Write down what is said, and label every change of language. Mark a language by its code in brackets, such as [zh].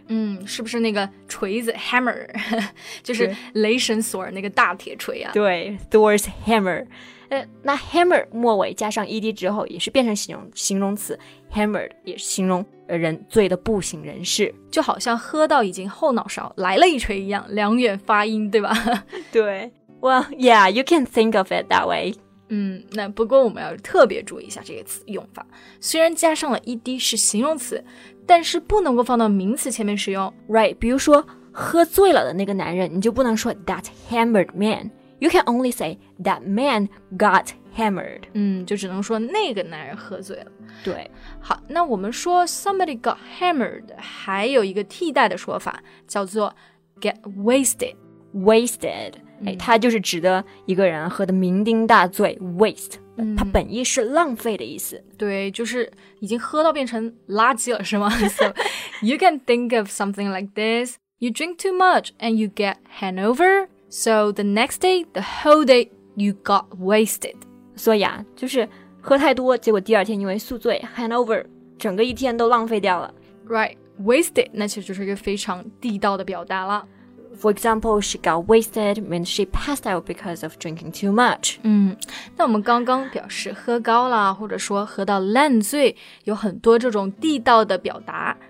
[zh] 嗯是不是那个锤子 hammer 就是雷神索尔那个大铁锤啊对 Thor's hammer 那 hammer 末尾加上 ed 之后也是变成形容词 hammered 也是形容人醉得不省人事就好像喝到已经后脑勺来了一锤一样两远发音对吧 [en] 对 well yeah you can think of it that way [zh] 嗯，那不过我们要特别注意一下这个词用法。虽然加上了 ed 是形容词，但是不能够放到名词前面使用。 Right， 比如说喝醉了的那个男人，你就不能说 [en] that hammered man。 You can only say that man got hammered。 [zh] 嗯，就只能说那个男人喝醉了。对，好，那我们说 [en] somebody got hammered， [zh] 还有一个替代的说法叫做 get wasted。 Wasted。 哎、他就是指的一个人喝的酩酊大醉 waste、嗯、他本意是浪费的意思对就是已经喝到变成垃圾了是吗 [en] So you can think of something like this You drink too much and you get hangover So the next day, the whole day you got wasted [zh] 所以啊就是喝太多结果第二天因为宿醉 hangover 整个一天都浪费掉了 Right, wasted 那其实就是一个非常地道的表达了 [en] For example, she got wasted when she passed out because of drinking too much. [zh] 嗯，那我们刚刚表示喝高了，或者说喝到烂醉，有很多这种地道的表达。